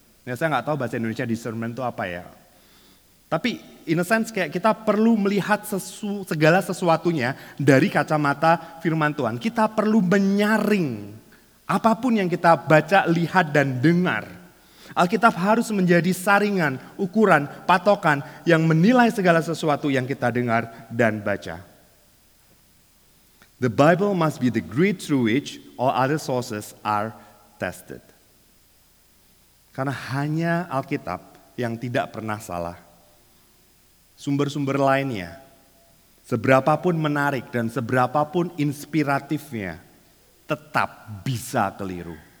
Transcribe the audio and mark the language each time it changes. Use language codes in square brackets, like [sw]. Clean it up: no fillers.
[id] Ya, saya gak tahu bahasa Indonesia discernment itu apa ya. Tapi [en] in a sense [id] kayak kita perlu melihat segala sesuatunya dari kacamata firman Tuhan. Kita perlu menyaring apapun yang kita baca, lihat, dan dengar. Alkitab harus menjadi saringan, ukuran, patokan yang menilai segala sesuatu yang kita dengar dan baca. [en] The Bible must be the grid through which all other sources are tested. [id] Karena hanya Alkitab yang tidak pernah salah. Sumber-sumber lainnya, seberapapun menarik dan seberapapun inspiratifnya, tetap bisa keliru.